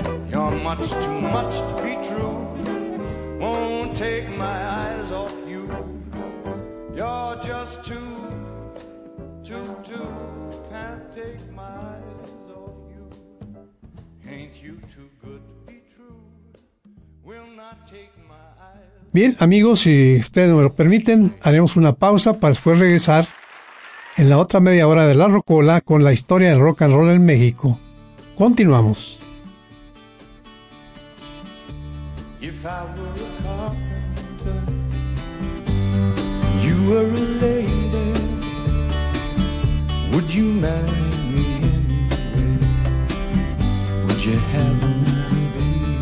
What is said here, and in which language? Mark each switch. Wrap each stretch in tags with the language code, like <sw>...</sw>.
<en>You're much too much to be true. Won't take my eyes off you. You're just too, too, too. Can't take my eyes off you. Ain't you too good to be true? Will not take my eyes.</en> <es>Bien, amigos, si ustedes no me lo permiten, haremos una pausa para después regresar en la otra media hora de La Rocola con la historia del rock and roll en México. Continuamos.</es> <en>If I were a carpenter, you were a lady, would you marry me anyway? Would you have me, baby?</en>